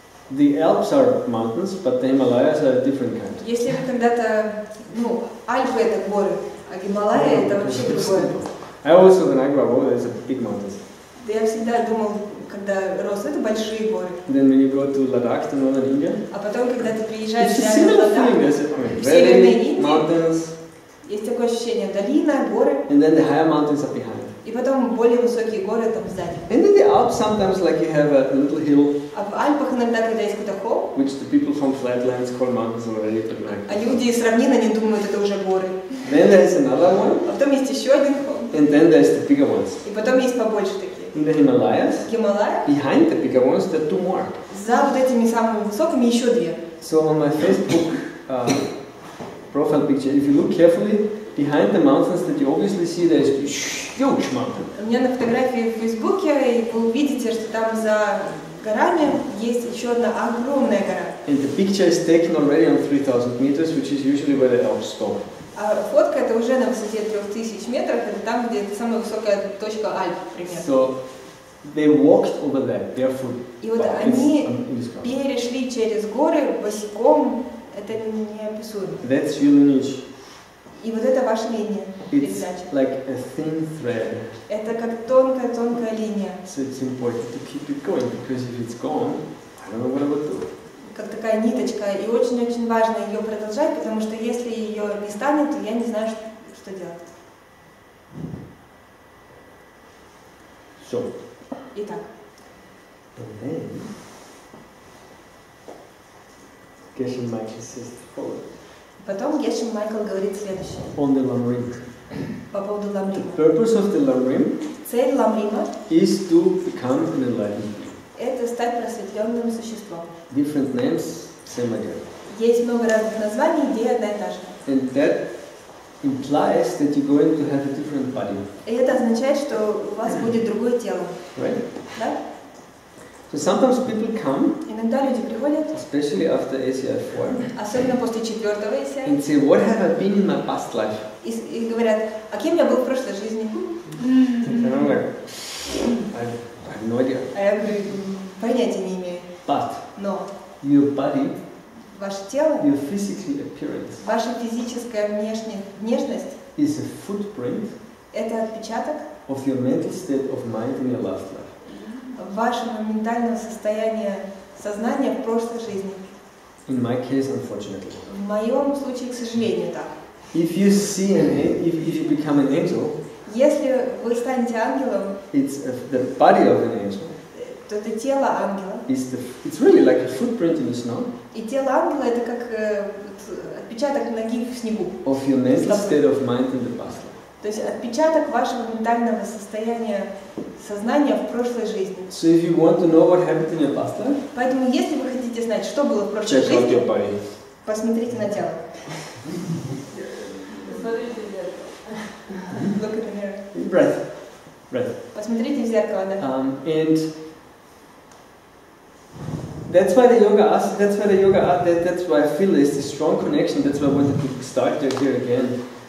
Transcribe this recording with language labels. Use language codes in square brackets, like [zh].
[en] The Alps are mountains, but the Himalayas are a different kind. [ru] Если вы когда-то, ну, Альпы это горы, а Гималаи это вообще другое. [en] I always thought when I grew up, oh, there's a big mountains. [ru] Да я всегда думал, когда рос, это большие горы. [en] Then when you go to Ladakh, to Northern India. [ru] А потом, когда ты приезжаешь в Ладакх, в Северной Индии, [en] mountains. [ru] Есть такое ощущение, долина, горы. [en] And then the higher mountains are behind. [ru] И потом более высокие горы там сзади. [en] And then the Alps sometimes like you have a little hill. [ru] А в Альпах иногда когда есть какой-то холм. [en] Which the people from flatlands call mountains already, but like. [ru] А люди с равнин они думают это уже горы. [en] Then there is another one. [ru] А потом есть еще один холм. [en] And then there's the bigger ones. [ru] И потом есть побольше такие. [en] In the Himalayas, Himalaya? Behind the bigger ones, there are 2 more. [ru] За вот этими самыми высокими еще 2. [en] So on my Facebook profile picture, if you look carefully, behind the mountains that you obviously see, there is a huge mountain. [ru] У меня на фотографии в Фейсбуке, и вы увидите, что там за горами есть еще одна огромная гора. [en] And the picture is taken already on 3,000 meters, which is usually where the Alps stop. [ru] А фотка это уже на высоте 3000 метров, это там, где это самая высокая точка Альп, примерно. [en] So they walked over there barefoot. [ru] И вот они перешли через горы босиком, это неописуемо. [en] That's your lineage. [ru] И вот это ваше линия. [en] It's like a thin thread. [ru] Это как тонкая-тонкая линия. [en] So it's important to keep it going, because if it's gone, I don't know what I would do. [ru] Как такая ниточка, и очень-очень важно ее продолжать, потому что если ее не станет, то я не знаю, что делать. [en] So. [ru] Итак. [en] And then, Geshe Michael says the following. [ru] Потом Geshe Michael говорит следующее. [en] On the Lamrim. [ru] По поводу Ламрима. [en] The purpose of the Lamrim. [ru] Цель Ламрима. [en] Is to become an enlightened. [ru] Это стать просветленным существом. [en] Different names, same idea. [ru] Есть много разных названий, идея одна и та же. [en] And that implies that you're going to have a different body. [ru] И это означает, что у вас будет другое тело. [en] Right? [ru] Да? [en] So sometimes people come, [ru] иногда люди приходят, [en] especially after ACI-4, [ru] особенно после четвертого ACI, [en] and say, what have I been in my past life? [ru] И говорят, а кем я был в прошлой жизни? [en] And I'm like, I have no idea. [ru] А я говорю, понятия не имею. [en] But no. Your body, [ru] ваше тело, [en] your physical appearance, [ru] ваша физическая внешность, [en] is a footprint, [ru] это отпечаток, [en] of your mental state of mind in your last life. [ru] Вашего ментального состояния сознания в прошлой жизни. [en] In my case, unfortunately. [ru] В моем случае, к сожалению, так. [en] If you see an angel, if you become an angel, [ru] если вы станете ангелом, [en] it's the body of an angel. [ru] То это тело ангела. [en] It's really like a footprint in the snow. [ru] И тело ангела это как отпечаток ноги в снегу. [en] Of your mental state of mind in the past. [ru] То есть отпечаток вашего ментального состояния сознания в прошлой жизни. [en] So if you want to know what happened in your past life, [ru] поэтому если вы хотите знать, что было в прошлой [en] check [ru] жизни, [en] out your body. [ru] Посмотрите на тело. Посмотрите в зеркало. [en] Look at the mirror. Breath. [ru] Посмотрите в зеркало, да. [en] And that's why the yoga asks, that's why I feel there's this strong connection, that's why I wanted to start here again.